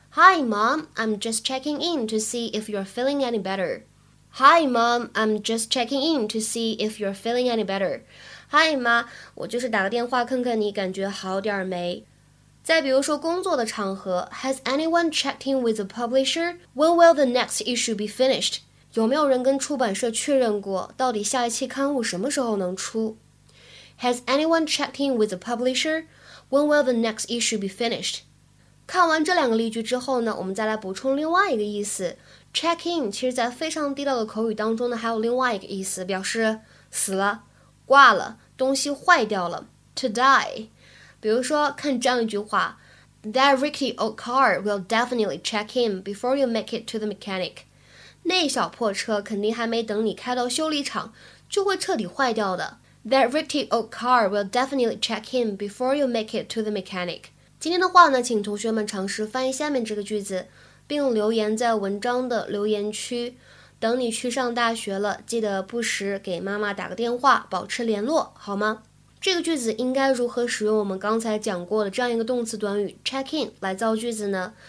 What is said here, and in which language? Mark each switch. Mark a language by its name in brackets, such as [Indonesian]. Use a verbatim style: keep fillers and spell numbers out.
[English] Hi, Mom. I'm just checking in to see if you're feeling any better. Hi, Mom. I'm just checking in to see if you're feeling any better. [Chinese] Hi, 妈，我就是打个电话看看你感觉好点没。再比如说工作的场合 ， [English] Has anyone checked in with the publisher? When will the next issue be finished? [Chinese] 有没有人跟出版社确认过，到底下一期刊物什么时候能出 ？ [English] Has anyone checked in with the publisher? When will the next issue be finished? [Chinese] 看完这两个例句之后呢，我们再来补充另外一个意思。 check in 其实在非常地道的口语当中呢，还有另外一个意思，表示死了、挂了、东西坏掉了 ， [English] to die。 [Chinese] 比如说，看这样一句话 [English] ，That rickety old car will definitely check in before you make it to the mechanic。 [Chinese] 那小破车肯定还没等你开到修理厂，就会彻底坏掉的。 [English] That rickety old car will definitely check in before you make it to the mechanic。 [Chinese] 今天的话呢，请同学们尝试翻译下面这个句子，并留言在文章的留言区。等你去上大学了，记得不时给妈妈打个电话，保持联络，好吗？这个句子应该如何使用我们刚才讲过的这样一个动词短语 check in 来造句子呢？